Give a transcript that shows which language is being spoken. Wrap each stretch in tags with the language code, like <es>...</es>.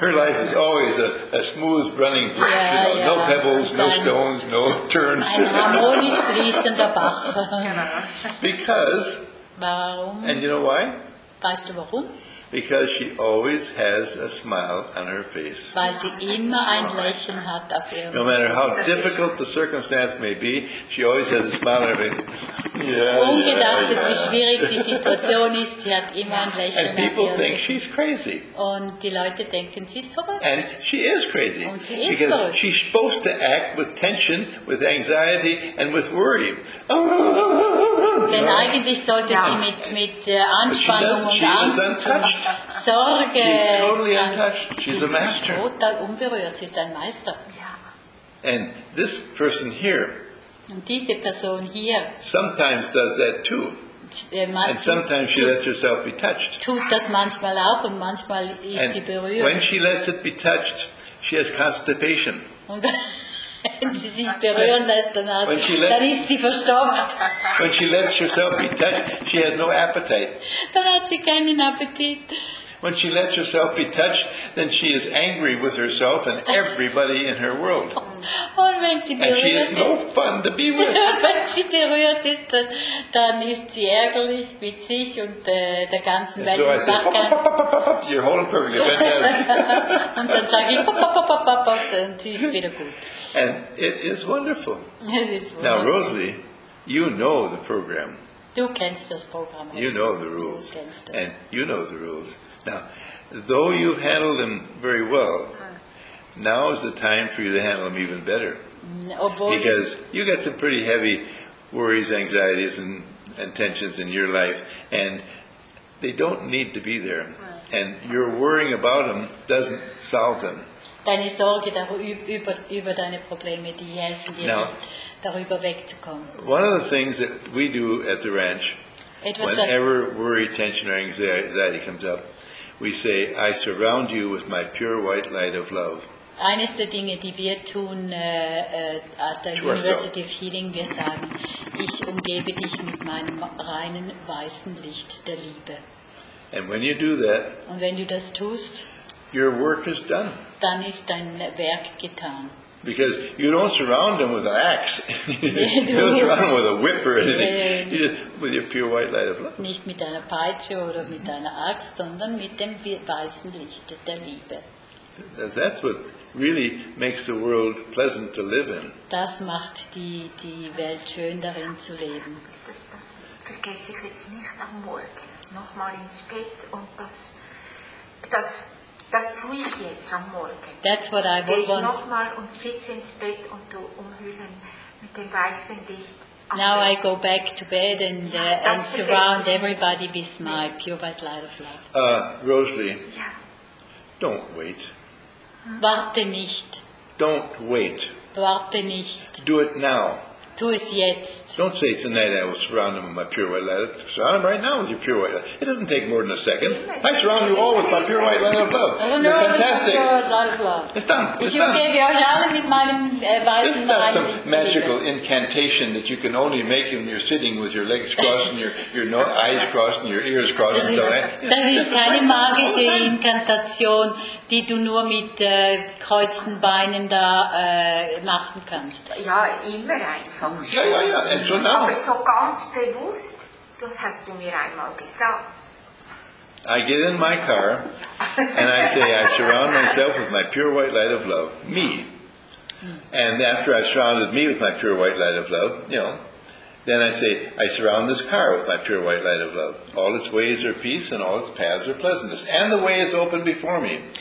<en>Her life is always a smooth running, no pebbles, no stones, no turns.</en> <de>Ein harmonisch fließender Bach.</de> <en>Because.</en> <de>Warum?</de> <en>And you know why?</en> <de>Weißt du warum?</de> <en>Because she always has a smile on her face.</en> <de>Weil sie immer ein Lächeln hat auf ihrem Gesicht.</de> <en>No matter how difficult the circumstance may be, she always has a smile on her face. Yeah,</en> <de>ungedacht,</de> <en>yeah, yeah.</en> <de>Wie schwierig die Situation ist, sie hat immer ein Lächeln.</de> <en>And people think she's crazy.</en> <de>Und die Leute denken, sie ist verrückt.</de> <en>And she is crazy.</en> <de>Und sie ist</de> <en>because</en> <de>verrückt.</de> <en>She's supposed to act with tension, with anxiety and with worry.</en> <de>Denn eigentlich sollte sie mit Anspannung und Angst und Sorge.</de> <en>Totally untouched. She's a master.</en> <de>Total unberührt. Sie ist ein Meister.</de> <en>And this person here.</en> <de>Und diese Person hier</de> <en>sometimes does that too. And sometimes she lets herself be touched.</en> <de>Tut das manchmal auch und manchmal ist</de> <en>and</en> <de>sie berührt.</de> <en>When she lets it be touched, she has constipation.</en> <de>Wenn sie sich berühren lässt, dann ist sie verstopft.</de> <en>When she lets herself be touched, she has no appetite.</en> <de>Dann hat sie keinen Appetit.</de> <en>When she lets herself be touched, then she is angry with herself and everybody in her world.</en> <de>Und wenn sie berührt,</de> <en>and she is no fun to be with.</en> <de>Wenn sie berührt ist, dann ist sie ärgerlich mit sich und der ganzen Welt.</de> <en>So I say, pop, pop, pop, pop, pop, you're holding perfectly.</en> <de>Und dann sage ich, pop, pop, pop, pop, pop, pop, und sie ist wieder gut.</de> <en>And it is wonderful.</en> <de>Es ist wunderbar.</de> <en>Now, Rosalie, you know the program.</en> <de>Du kennst das Programm.</de> <en>You know the rules. And you know the rules. Now, though you handled them very well, now is the time for you to handle them even better. Because you got some pretty heavy worries, anxieties, and tensions in your life, and they don't need to be there. And your worrying about them doesn't solve them.</en> <de>Deine Sorge über deine Probleme, die helfen dir,</de> <en>now,</en> <de>darüber wegzukommen.</de> <en>One of the things that we do at the ranch, whenever worry, tension, or anxiety comes up, we say, I surround you with my pure white light of love.</en> <de>Eines der Dinge, die wir tun at the University of Healing, wir sagen, ich umgebe dich mit meinem reinen weißen Licht der Liebe.</de> <en>And when you do that,</en> <de>und wenn du das tust,</de> <en>your work is done.</en> <de>Dann ist dein Werk getan.</de> <en>Because you don't surround him with an axe. You don't surround him with a whip or anything. You just, with your pure white light of love.</en> <de>Nicht mit einer Peitsche oder mit einer Axt, sondern mit dem weißen Licht der Liebe.</de> <en>That's what really makes the world pleasant to live in.</en> <de>Das macht die Welt schön, darin zu leben. Das vergesse ich jetzt nicht am Morgen. Nochmal ins Bett und das tue ich jetzt am Morgen.</de> <en>That's what I will want.</en> <de>Gehe nochmal und sitze ins Bett und du umhüllen mit dem weißen Licht.</de> <en>Now I go back to bed and surround everybody with my pure white light of love. Rosalie, yeah. Don't wait.</en> <de>Warte nicht.</de> <en>Don't wait.</en> <de>Warte nicht.</de> <en>Do it now.</en> <de>Tu es jetzt.</de> <en>Don't say tonight I will surround him with my pure white light. Surround him right now with your pure white light. It doesn't take more than a second. I surround you all with my pure white light of love. You're fantastic. It's done. It's not some magical incantation that you can only make when you're sitting with your legs crossed and your eyes crossed and your ears crossed.</en> <de>Das ist keine magische Inkantation, die du nur mit kreuzten Beinen da machen kannst. Ja, immer ein.</de> <en>Ja, and so now.</en> <de>Aber so ganz bewusst, das hast du mir einmal gesagt.</de> <en>I get in my car and I say, I surround myself with my pure white light of love, me. And after I've surrounded me with my pure white light of love, you know, then I say, I surround this car with my pure white light of love. All its ways are peace and all its paths are pleasantness. And the way is open before me.</en>